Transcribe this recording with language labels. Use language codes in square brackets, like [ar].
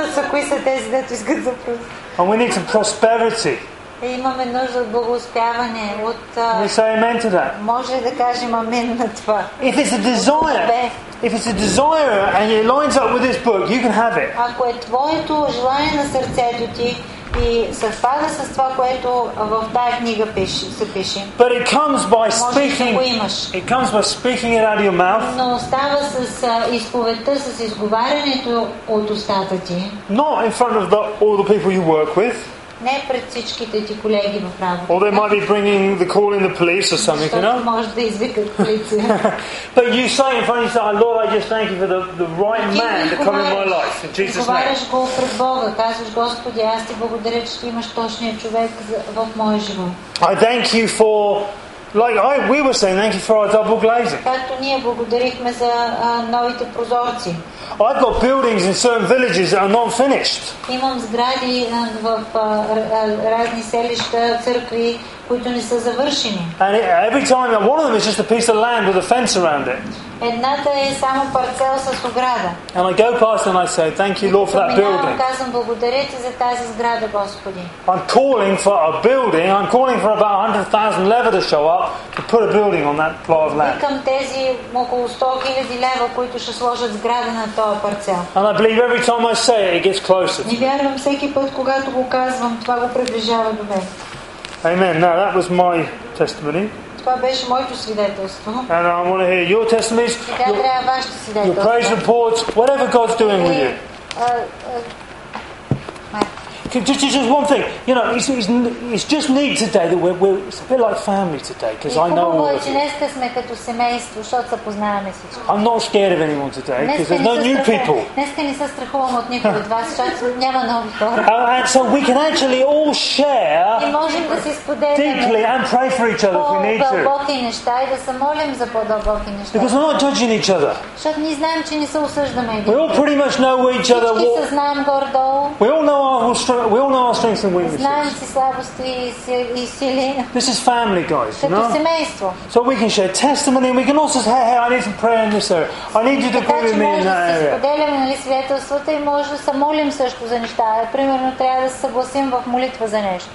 [bg] Кои са тези, дето искат съпруги? [en] And we need some prosperity. [bg] Имаме нужда от благоуспяване. [en] We say amen to that. [bg] Може да кажем амен на това. [en] If it's a desire. If it's a desire and it lines up with this book, you can have it. [bg] Ако е твоето желание на сърцето ти, и съвпада с това, което в тая книга се пише. [en] But it comes by speaking. It comes by speaking it out of your mouth. [bg] Но става с изповедта, с изговарянето от устата ти. [en] Not in front of all the people you work with. [bg] Не пред всичките ти колеги в работа. [en] Or they might be bringing the call in the police or something, you know? [bg] Може да извикат полиция. [en] But you say in front of yourself, Lord, I just thank you for the right man to come in my life, in Jesus' name. [bg] Говориш го пред Бога, казваш, Господи, аз ти благодаря, че ти имаш точния човек в моя живот. [en] I thank you for Like I, we were saying, thank you for our double glazing. [bg] Както ние благодарихме за новите прозорци. [en] I've got buildings in certain villages that are not finished. [bg] Имам сгради в разни селища, църкви, които не са завършени. [en] And it, every time, one of them is just a piece of land with a fence around it. [bg] Едната е само парцел с ограда. [en] And I go past and I say, thank you, Lord, for that building. [bg] Казвам, благодаря ти за тази сграда, Господи. [en] I'm calling for a building. I'm calling for about 100,000 lever to show up to put a building on that plot of land. [bg] Викам тези около 100,000 лева, които ще сложат сграда на този парцел. [en] And I believe every time I say it, it gets closer. [bg] И вярвам всеки път, когато го казвам, това го приближава до мен. [en] Amen. Now that was my testimony. And I want to hear your testimonies, your praise reports, whatever God's doing with you. Just one thing, you know, it's just neat today that we're it's a bit like family today because I know all of you. I'm not scared of anyone today because there's no new people. And so we can actually all share deeply and pray for each other if we need to. Because we're not judging each other. We all pretty much know where each other walks. We all know our strength. We all know our strengths and weaknesses. This is family, guys. You know? So we can share testimony and we can also say, hey, I need some prayer in this area. I need you to pray with me in that area. [bg] Споделяме, нали, свидетелствата и може да се молим също за неща. Примерно, трябва да се съгласим в молитва за нещо.